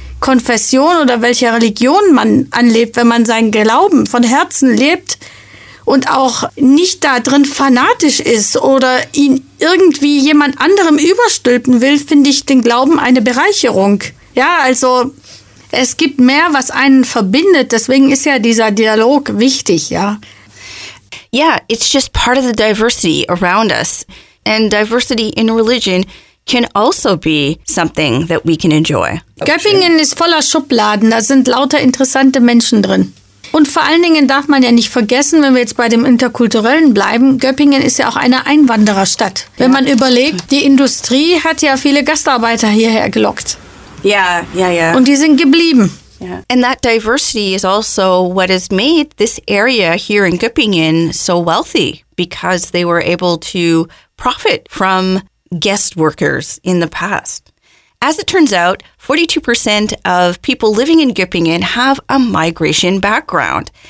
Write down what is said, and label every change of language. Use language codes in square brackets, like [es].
[de] Konfession oder welcher Religion man anlebt, wenn man seinen Glauben von Herzen lebt und auch nicht da drin fanatisch ist oder ihn irgendwie jemand anderem überstülpen will, finde ich den Glauben eine Bereicherung. Ja, also es gibt mehr, was einen verbindet. Deswegen ist ja dieser Dialog wichtig, ja. [en] Yeah, it's just part of the diversity around us. And diversity in religion can also be something that we can enjoy. [de] Oh, Göppingen ist voller Schubladen. Da sind lauter interessante Menschen drin. Und vor allen Dingen darf man ja nicht vergessen, wenn wir jetzt bei dem Interkulturellen bleiben, Göppingen ist ja auch eine Einwandererstadt. Wenn man überlegt, die Industrie hat ja viele Gastarbeiter hierher gelockt. Ja. Und die sind geblieben. [en] Yeah. And that diversity is also what has made this area here in Göppingen so wealthy, because they were able to profit from guest workers in the past. As it turns out, 42% of people living in Göppingen have a migration background.